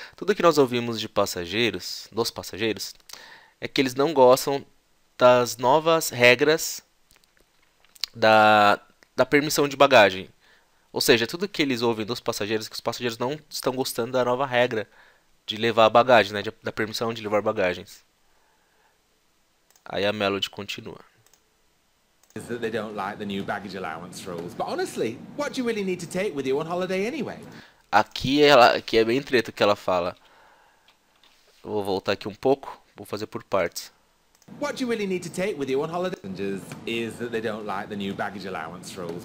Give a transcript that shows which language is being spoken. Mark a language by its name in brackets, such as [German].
[Portuguese] Tudo que nós ouvimos de passageiros, dos passageiros, é que eles não gostam das novas regras da permissão de bagagem. Ou seja, tudo que eles ouvem dos passageiros é que os passageiros não estão gostando da nova regra de levar a bagagem, né, da permissão de levar bagagens. Aí a Melody continua. [English] Is that they don't like the new baggage allowance rules. But honestly, what do you really need to take with you on holiday anyway? [Portuguese] Aqui é bem treta que ela fala. Vou voltar aqui um pouco, vou fazer por partes. [English] What do you really need to take with you on holiday? Is that they don't like the new baggage allowance rules.